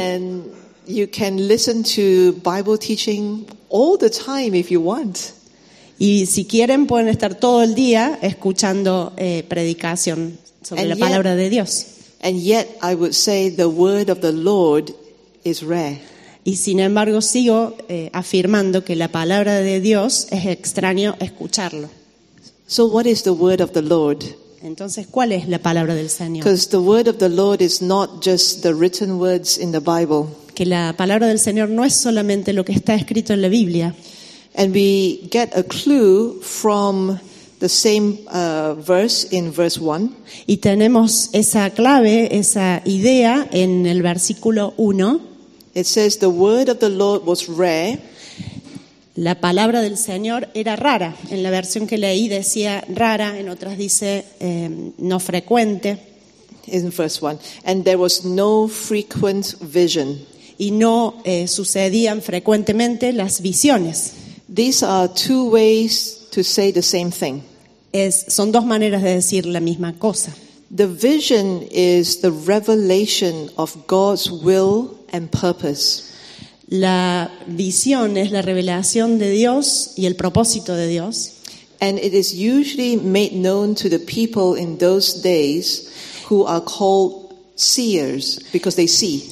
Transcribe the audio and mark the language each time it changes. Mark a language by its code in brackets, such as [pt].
[en] And you can listen to Bible teaching all the time if you want. [es] Y si quieren pueden estar todo el día escuchando predicación sobre [en] and [es] la palabra de Dios. [en] And yet I would say the word of the Lord is rare. [es] Y sin embargo sigo afirmando que la palabra de Dios es extraño escucharlo. [en] So what is the word of the Lord? [es] Entonces, ¿cuál es la palabra del Señor? [en] Because the word of the Lord is not just the written words in the Bible. [es] Que la palabra del Señor no es solamente lo que está escrito en la Biblia. [en] And we get a clue from the same verse in verse 1. [es] Y tenemos esa clave, esa idea en el versículo 1. [en] It says the word of the Lord was rare. [es] La palabra del Señor era rara. En la versión que leí decía rara, en otras dice no frecuente. [en] In verse 1. And there was no frequent vision. [es] Y no sucedían frecuentemente las visiones. [en] These are two ways to say the same thing. [es] Son dos maneras de decir la misma cosa. [en] The vision is the revelation of God's will and purpose. [es] La visión es la revelación de Dios y el propósito de Dios. [en] And it is usually made known to the people in those days who are called seers, because they see.